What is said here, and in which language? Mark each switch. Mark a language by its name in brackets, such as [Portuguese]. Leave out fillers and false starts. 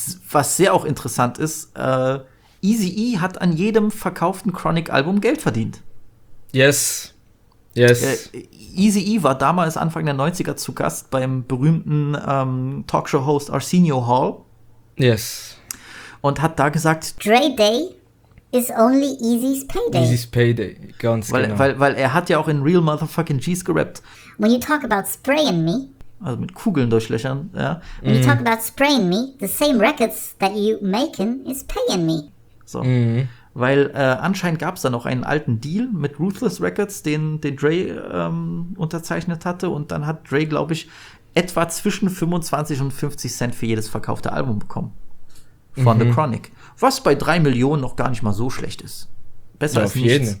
[German] Was sehr auch interessant ist, Eazy-E hat an jedem verkauften Chronic-Album Geld verdient. [English] Yes. Yes. [German] Eazy-E war damals Anfang der 90er zu Gast beim berühmten Talkshow-Host Arsenio Hall. [English] Yes. [German] Und hat da gesagt, [English] Dre Day is only Eazy's payday. Eazy's payday, [German] ganz weil, genau. Weil er hat ja auch in Real Motherfucking G's gerappt. [English] When you talk about spraying me. [German] Also mit Kugeln durchlöchern, ja. [English] When you talk about spraying me, the same records that you making is paying me. [German] So. Mhm. Weil anscheinend gab es da noch einen alten Deal mit Ruthless Records, den Dre unterzeichnet hatte. Und dann hat Dre, glaube ich, etwa zwischen 25 und 50 Cent für jedes verkaufte Album bekommen. Von The Chronic. Was bei 3 Millionen noch gar nicht mal so schlecht ist. Besser ja, als nichts. Jeden.